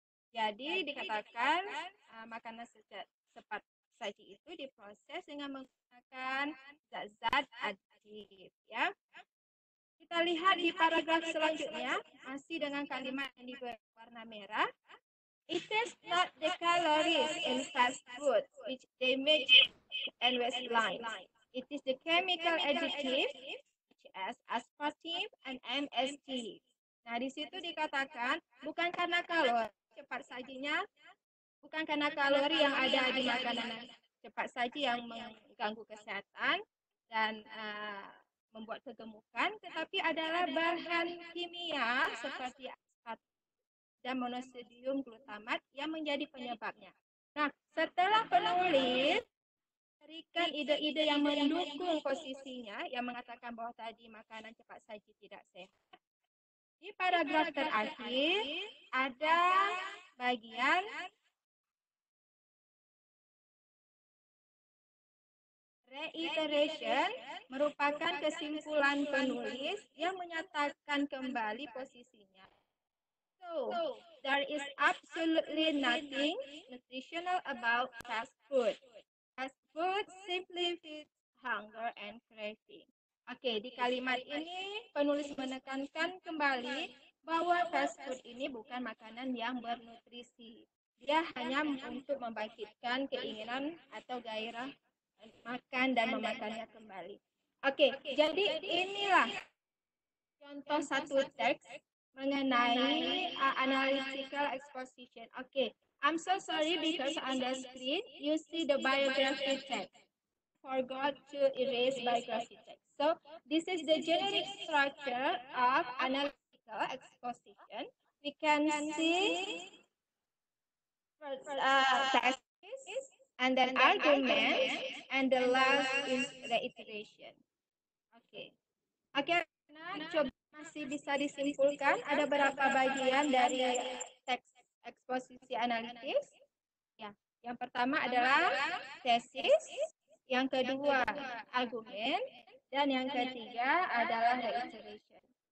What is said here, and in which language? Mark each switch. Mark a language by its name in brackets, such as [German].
[Indonesian] Jadi dikatakan makanan cepat saji itu diproses dengan menggunakan zat-zat aditif. Ya. Kita lihat di paragraf selanjutnya, masih dengan kalimat yang diberi warna merah. [English] It is not the calories in fast food which damage and waistline. It is the chemical additive such as aspartame and MSG. [Indonesian] Nah, di situ dikatakan bukan karena kalori cepat sajinya, bukan karena kalori yang ada di makanan cepat saji yang mengganggu kesehatan dan membuat kegemukan, tetapi adalah bahan kimia seperti dan monosodium glutamat yang menjadi penyebabnya. Nah, setelah penulis berikan ide-ide yang mendukung posisinya, yang mengatakan bahwa tadi makanan cepat saji tidak sehat, di paragraf terakhir ada bagian Reiteration merupakan kesimpulan penulis yang menyatakan kembali posisinya. [English] So, there is absolutely nothing nutritional about fast food. Fast food simply feeds hunger and craving. [Indonesian] Oke, di kalimat ini penulis menekankan kembali bahwa fast food ini bukan makanan yang bernutrisi. Dia hanya untuk membangkitkan keinginan atau gairah makan dan memakannya kembali. Oke, jadi inilah contoh satu teks mengenai analytical exposition. [English] Oke, I'm so sorry because on the screen you see the biography text. Forgot to erase biography text. So, this is the generic structure of analytical exposition. We can see thesis and then argument and the last is reiteration. Oke. Okay. [Indonesian] Oke, okay, nah, coba masih bisa disimpulkan ada berapa bagian dari teks eksposisi analitis? Ya, yang pertama adalah tesis, yang kedua argument dan yang ketiga adalah reiteration.